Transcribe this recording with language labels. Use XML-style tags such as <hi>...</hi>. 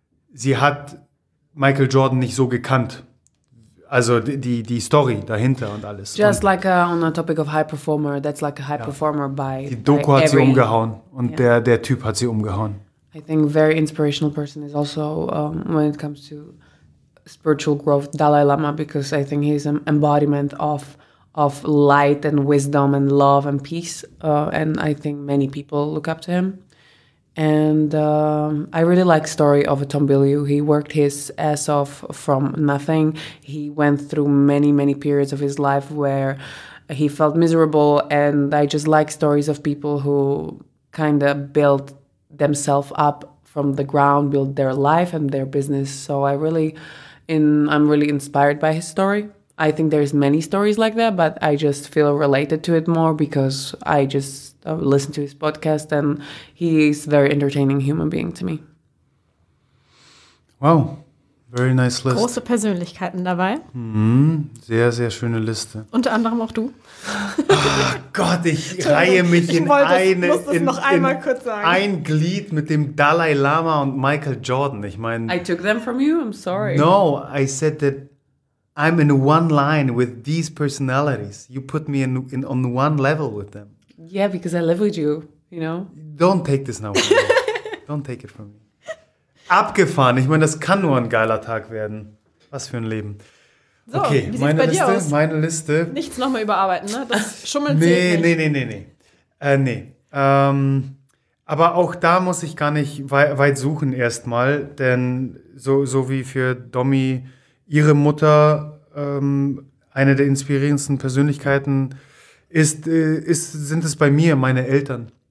<de>Sie hat Michael Jordan nicht so gekannt. Also die Story dahinter und alles.</de> <en>Just like on the topic of high performer, that's like a high performer by</en> <de>Die Doku hat sie umgehauen und der Typ hat sie umgehauen.</de> <en>I think very inspirational person is also when it comes to spiritual growth, Dalai Lama, because I think he's an embodiment of light and wisdom and love and peace. And I think many people look up to him. And I really like story of a Tom Bilyeu. He worked his ass off from nothing. He went through many, many periods of his life where he felt miserable. And I just like stories of people who kind of built themselves up from the ground, built their life and their business. So I'm really inspired by his story. I think there's many stories like that, but I just feel related to it more because I just listen to his podcast and he is a very entertaining human being to me. Wow, very nice list.</en> <de>Große Persönlichkeiten dabei. Mm-hmm. Sehr, sehr schöne Liste. Unter anderem auch du. Oh Gott, ich reihe mich ein Glied mit dem Dalai Lama und Michael Jordan. Ich meine.</de> <en>I took them from you, I'm sorry. No, I said that I'm in one line with these personalities. You put me in on one level with them. Yeah, because I live with you, you know? Don't take this now from me. Don't take it from me.</en> <de>Abgefahren. Ich meine, das kann nur ein geiler Tag werden. Was für ein Leben. So, okay, meine Liste, aus? Meine Liste. Nichts nochmal überarbeiten, ne? Das schummelt nee, zählt nicht. Nee. Nee. Aber auch da muss ich gar nicht weit suchen erstmal, denn so wie für Domi ihre Mutter eine der inspirierendsten Persönlichkeiten ist, sind es bei mir meine Eltern</de>